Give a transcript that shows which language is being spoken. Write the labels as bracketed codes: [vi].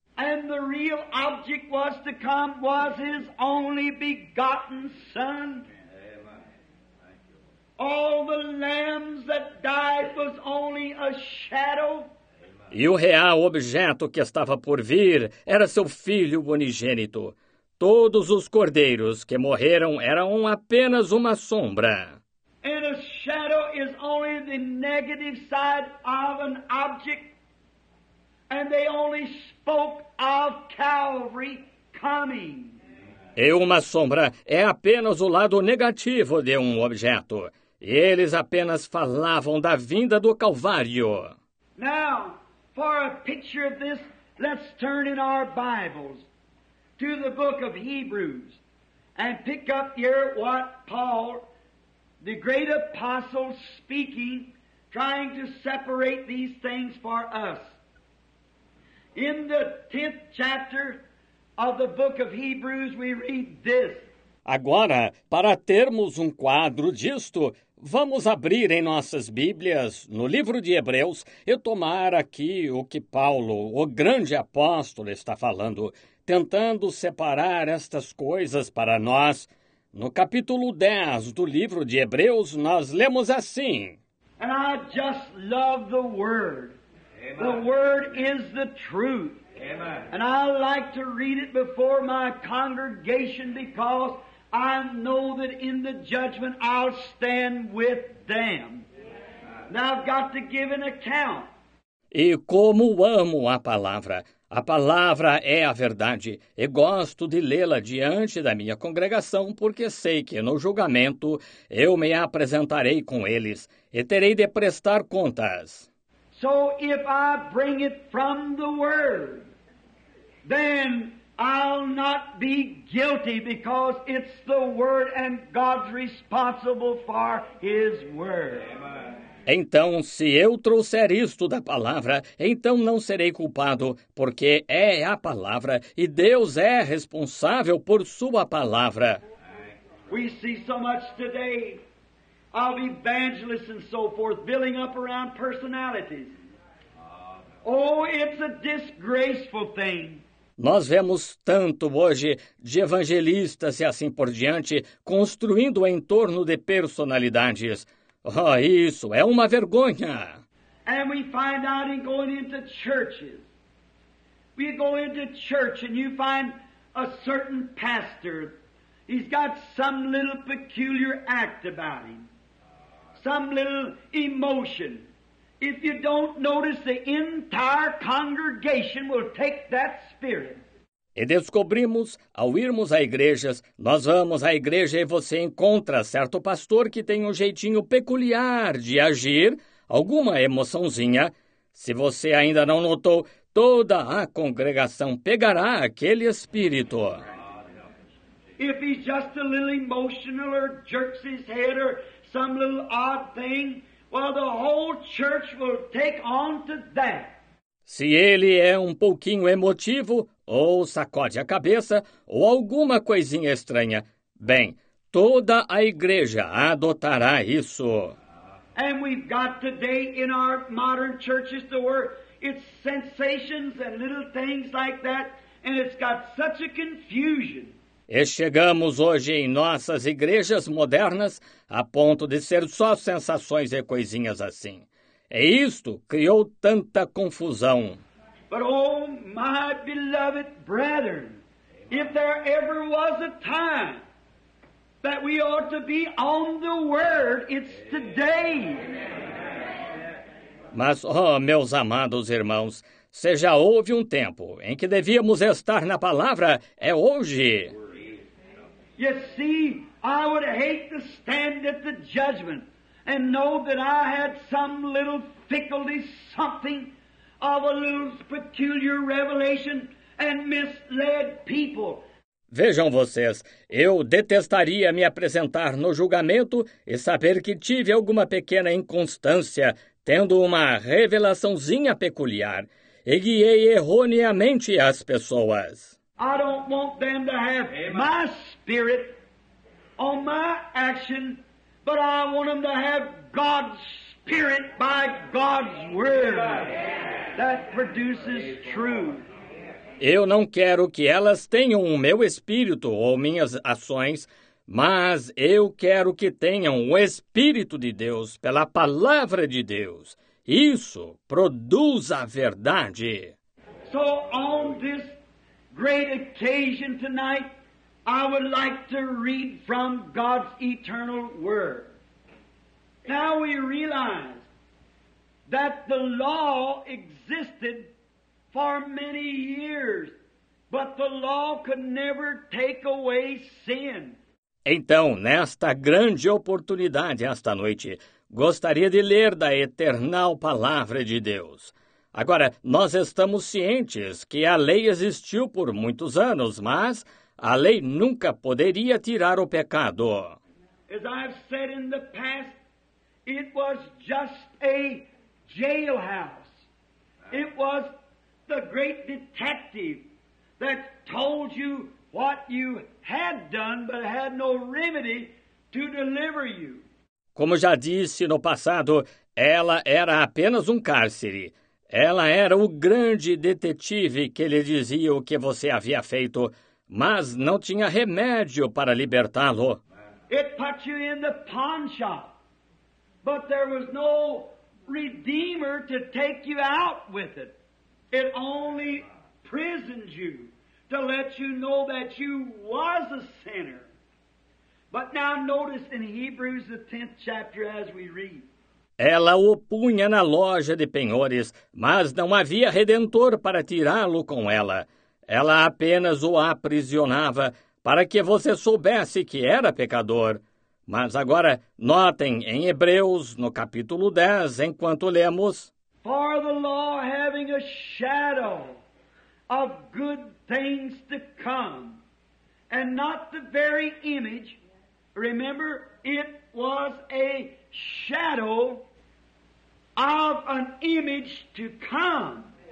[en] And the real object was to come was his only begotten son. All the lambs that died was only a shadow. [pt] E o real objeto que estava por vir era seu filho unigênito. Todos os cordeiros que morreram eram apenas uma sombra. [en] And a shadow is only the negative side of an object. And they only spoke of Calvary coming. [pt] E uma sombra é apenas o lado negativo de um objeto. E eles apenas falavam da vinda do Calvário. [en] Now, for a picture of this, let's turn in our Bibles to the book of Hebrews and pick up here what Paul, the great apostle, speaking, trying to separate these things for us. In the 10th chapter of the book of Hebrews, we read this. [pt] Agora, para termos quadro disto, vamos abrir em nossas Bíblias, no livro de Hebreus, e tomar aqui o que Paulo, o grande apóstolo, está falando, tentando separar estas coisas para nós. No capítulo 10 do livro de Hebreus, nós lemos assim. [en] And I just love the Word. Amen. The Word is the truth. Amen. And I like to read it before my congregation because I know that in the judgment I'll stand with them. Now I've got to give an account. [pt] E como amo a palavra. A palavra é a verdade. E gosto de lê-la diante da minha congregação, porque sei que no julgamento eu me apresentarei com eles e terei de prestar contas. [en] So if I bring it from the word, then I'll not be guilty because it's the word and God's responsible for his word. [pt] Então, se eu trouxer isto da palavra, então não serei culpado, porque é a palavra e Deus é responsável por sua palavra. [en] We see so much today of evangelists and so forth building up around personalities. Oh, it's a disgraceful thing. [pt] Nós vemos tanto hoje de evangelistas e assim por diante construindo em torno de personalidades. Oh, isso é uma vergonha. [en] And we find out in going into churches. We go into church and you find a certain pastor. He's got some little peculiar act about him. Some little emotion. If you don't notice, the entire congregation will take that spirit. [pt] E descobrimos, ao irmos a igrejas, nós vamos à igreja e você encontra certo pastor que tem um jeitinho peculiar de agir, alguma emoçãozinha. Se você ainda não notou, toda a congregação pegará aquele espírito. [en] If he's just a little emotional or jerks his head or some little odd thing, well, the whole church will take on to that. [pt] Se ele é um pouquinho emotivo, ou sacode a cabeça, ou alguma coisinha estranha, bem, toda a igreja adotará isso. [en] And we've got today in our modern churches the word, it's sensations and little things like that, and it's got such a confusion. [pt] E chegamos hoje em nossas igrejas modernas a ponto de ser só sensações e coisinhas assim. E isto criou tanta confusão. [en] But oh, my beloved brethren, if there ever was a time that we ought to be on the word, it's today. [pt] Mas, oh, meus amados irmãos, se já houve um tempo em que devíamos estar na palavra, é hoje. [en] You see, I would hate to stand at the judgment and know that I had some little fickle something of a little peculiar revelation and misled people. [pt] Vejam vocês, eu detestaria me apresentar no julgamento e saber que tive alguma pequena inconstância, tendo uma revelaçãozinha peculiar, e guiei erroneamente as pessoas. [en] I don't want them to have my spirit on my action, but I want them to have God's spirit by God's word. That produces truth. [pt] Eu não quero que elas tenham o meu espírito ou minhas ações, mas eu quero que tenham o Espírito de Deus pela palavra de Deus. Isso produz a verdade. [en] So on this great occasion tonight, I would like to read from God's eternal word. Now we realize that the law existed for many years, but the law could never take away sin. [pt] Então, nesta grande oportunidade, esta noite, gostaria de ler da eternal palavra de Deus. Agora, nós estamos cientes que a lei existiu por muitos anos, mas a lei nunca poderia tirar o pecado. [en] As I've said in the past, it was just a jailhouse. It was the great detective that told you what you had done but had no remedy to deliver you. [pt] Como já disse no passado, ela era apenas um cárcere. Ela era o grande detetive que lhe dizia o que você havia feito, mas não tinha remédio para libertá-lo. [en] It put you in the pawn shop. But there was no redeemer to take you out with it. It only prisoned you to let you know that you was a sinner. But now notice in Hebrews the 10th chapter as we read. [pt] Ela o punha na loja de penhores, mas não havia redentor para tirá-lo com ela. Ela apenas o aprisionava para que você soubesse que era pecador. Mas agora, notem em Hebreus, no capítulo 10, enquanto lemos: [en] For the law having a shadow of good things to come, and not the very image, remember, it was a shadow of an image to come.